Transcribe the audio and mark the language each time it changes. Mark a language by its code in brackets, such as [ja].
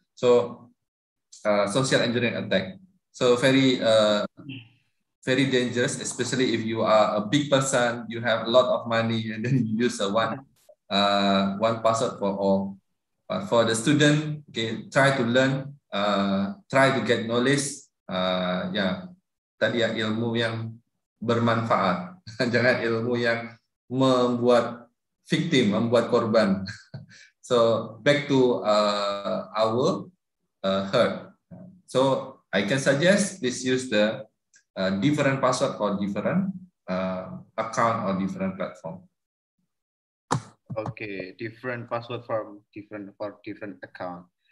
[en] So social engineering attack. So very dangerous, especially if you are a big person, you have a lot of money, and then you use one password for all. But for the student, okay, try to learn, try to get knowledge. [id] Ya, tadi ya, ilmu yang bermanfaat, jangan ilmu yang membuat victim, membuat korban. [en] So back to our herd. So I can suggest this use the different password for different account or different platform. Okay, different password for different account.